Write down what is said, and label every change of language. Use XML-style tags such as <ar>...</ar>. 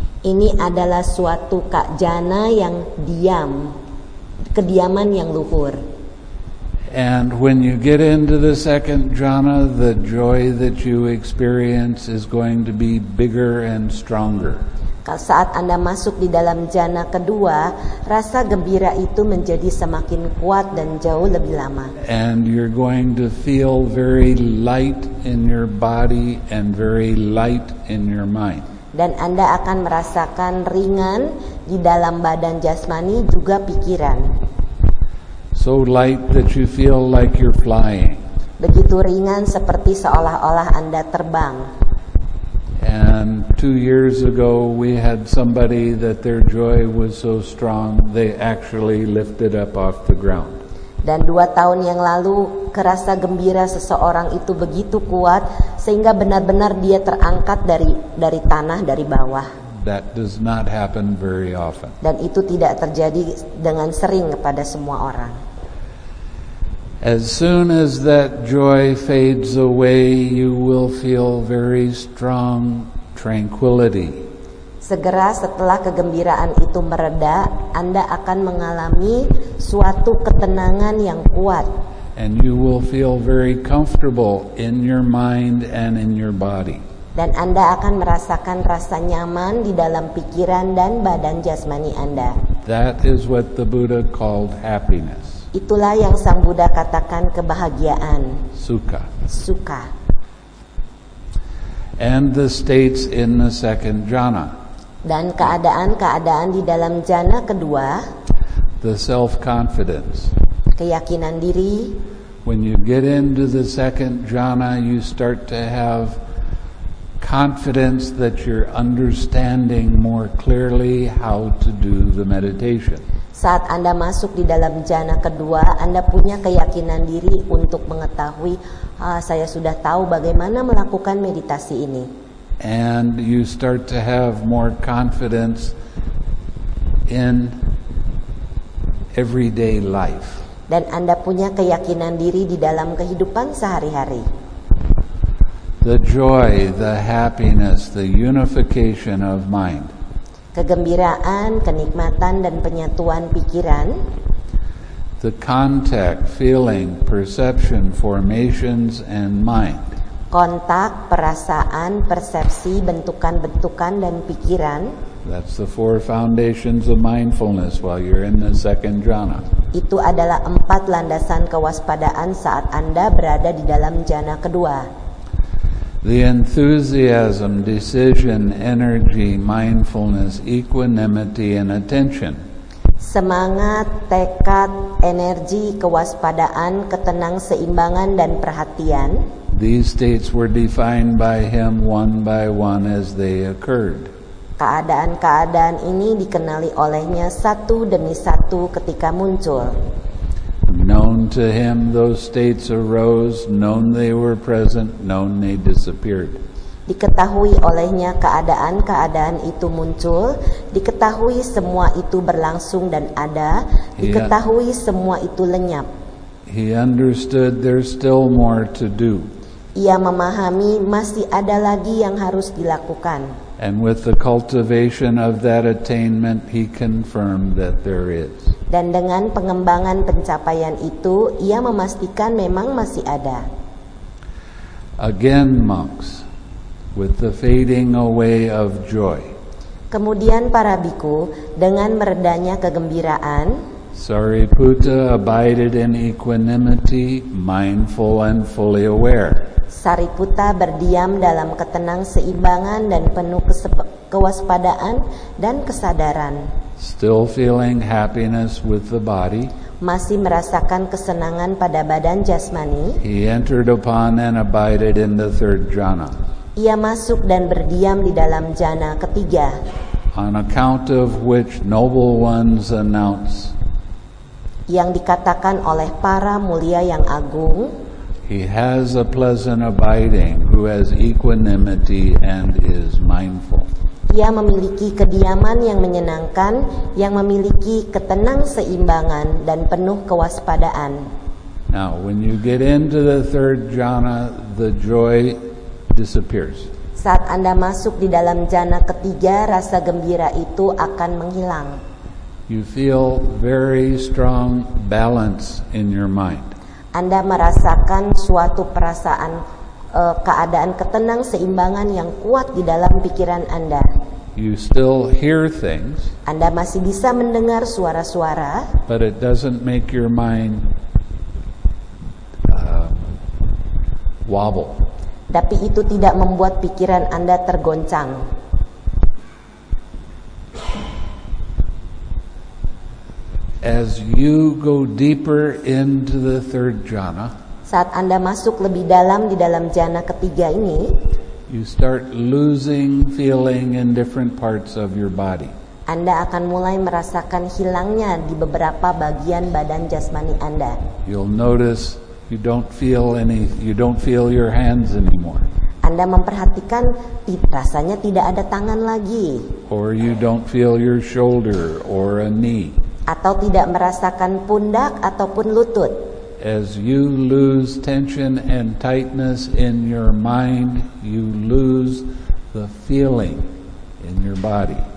<id>Ini adalah suatu jhana yang diam, kediaman yang luhur.</id> <en>And when you get into the second jhana, the joy that you experience is going to be bigger and stronger.</en> <id>Saat Anda masuk di dalam jhana kedua, rasa gembira itu menjadi semakin kuat dan jauh lebih lama.</id> <en>And you're going to feel very light in your body and very light in your mind.</en> <id>Dan Anda akan merasakan ringan di dalam badan jasmani juga pikiran.</id> <en>So light that you feel like you're flying.</en> <id>Begitu ringan seperti seolah-olah Anda terbang.</id> <en>And 2 years ago we had somebody that their joy was so strong they actually lifted up off the ground.</en> <id>Dan 2 tahun yang lalu kerasa gembira seseorang itu begitu kuat sehingga benar-benar dia terangkat dari tanah, dari bawah.</id> <en>That does not happen very often.</en> <id>Dan itu tidak terjadi dengan sering kepada semua orang.</id> <en>As soon as that joy fades away, you will feel very strong tranquility.</en> <id>Segera setelah kegembiraan itu mereda, Anda akan mengalami suatu ketenangan yang kuat.</id> <en>And you will feel very comfortable in your mind and in your body.</en> <id>Dan Anda akan merasakan rasa nyaman di dalam pikiran dan badan jasmani Anda.</id> <en>That is what the Buddha called happiness.</en> <id>Itulah yang Sang Buddha katakan kebahagiaan.</id> <en>Sukha.</en> <id>Sukha.</id> <en>And the states in the second jhana.</en> <id>Dan keadaan-keadaan di dalam jhana kedua.</id> <en>The self-confidence.</en> <id>Keyakinan diri.</id> <en>When you get into the second jhana, you start to have confidence that you're understanding more clearly how to do the meditation.</en> <id>Saat Anda masuk di dalam jhana kedua, Anda punya keyakinan diri untuk mengetahui, saya sudah tahu bagaimana melakukan meditasi ini.</id> <en>And you start to have more confidence in everyday life.</en> <id>Dan Anda punya keyakinan diri di dalam kehidupan sehari-hari.</id> <en>The joy, the happiness, the unification of mind.</en> <id>Kegembiraan, kenikmatan, dan penyatuan pikiran.</id> <en>The contact, feeling, perception, formations, and mind.</en> <id>Kontak, perasaan, persepsi, bentukan-bentukan, dan pikiran.</id> <en>That's the 4 foundations of mindfulness while you're in the second jhana.</en> <id>Itu adalah 4 landasan kewaspadaan saat Anda berada di dalam jhana kedua.</id> <en>The enthusiasm, decision, energy, mindfulness, equanimity, and attention.</en> <id>Semangat, tekad, energi, kewaspadaan, ketenang, seimbangan, dan perhatian.</id> <en>These states were defined by him one by one as they occurred.</en> <id>Keadaan-keadaan ini dikenali olehnya satu demi satu ketika muncul.</id> <en>Known to him, those states arose. Known they were present. Known they disappeared.</en> <id>Diketahui olehnya keadaan-keadaan itu muncul. Diketahui semua itu berlangsung dan ada. Diketahui semua itu lenyap.</id> <en>He understood there's still more to do.</en> <id>Ia memahami masih ada lagi yang harus dilakukan.</id> <en>And with the cultivation of that attainment, he confirmed that there is.</en> <id>Dan dengan pengembangan pencapaian itu, ia memastikan memang masih ada.</id> <en>Again, monks, with the fading away of joy.</en> <id>Kemudian para bhikkhu dengan meredanya kegembiraan.</id> <en>Sariputta abided in equanimity, mindful and fully aware.</en> <id>Sariputta berdiam dalam ketenang seimbangan dan penuh kewaspadaan dan kesadaran.</id> <en>Still feeling happiness with the body.</en> <id>Masih merasakan kesenangan pada badan jasmani.</id> <en>He entered upon and abided in the third jhana.</en> <id>Ia masuk dan berdiam di dalam jhana ketiga.</id> <en>On account of which noble ones announce.</en> <id>Yang dikatakan oleh para mulia yang agung.</id> <en>He has a pleasant abiding who has equanimity and is mindful.</en> <id>Ia memiliki kediaman yang menyenangkan, yang memiliki ketenang seimbangan dan penuh kewaspadaan.</id> <en>Now, when you get into the third jhana, the joy disappears.</en> <id>Saat Anda masuk di dalam jhana ketiga, rasa gembira itu akan menghilang.</id> <en>You feel very strong balance in your mind.</en> <id>Anda merasakan suatu perasaan keadaan ketenang seimbangan yang kuat di dalam pikiran Anda.</id> <en>You still hear things.</en> <id>Anda masih bisa mendengar suara-suara.</id> <en>But it doesn't make your mind wobble.</en> <id>Tapi itu tidak membuat pikiran Anda tergoncang.</id> <en>As you go deeper into the third jhana,</en> <id>saat Anda masuk lebih dalam di dalam jhana ketiga ini,</id> <en>you start losing feeling in different parts of your body.</en> <id>Anda akan mulai merasakan hilangnya di beberapa bagian badan jasmani Anda.</id> <en>You'll notice you don't feel your hands anymore.</en> <id>Anda memperhatikan rasanya tidak ada tangan lagi.</id> <en>Or you don't feel your shoulder or a knee.</en> <id>Atau tidak merasakan pundak ataupun lutut.</id> <en>As you lose tension and tightness in your mind, you lose the feeling in your body.</en>